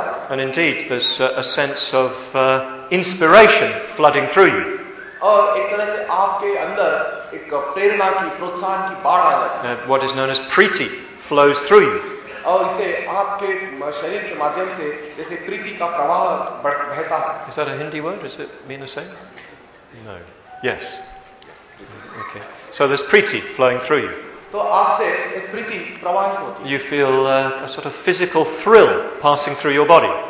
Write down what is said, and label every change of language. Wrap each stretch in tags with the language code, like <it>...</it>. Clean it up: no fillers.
<en>And indeed, there's a sense of inspiration flooding through you. What is known as preeti flows through you.</en> <hi>और इसे आपके शरीर के माध्यम से जैसे प्रीति का प्रवाह बहता है।</hi> <en>Is that a Hindi word? Does it mean the same? No. Yes. Okay. So there's preeti flowing through you.</en> <hi>तो आपसे प्रीति प्रवाहित होती है।</hi> <en>You feel a sort of physical thrill passing through your body.</en>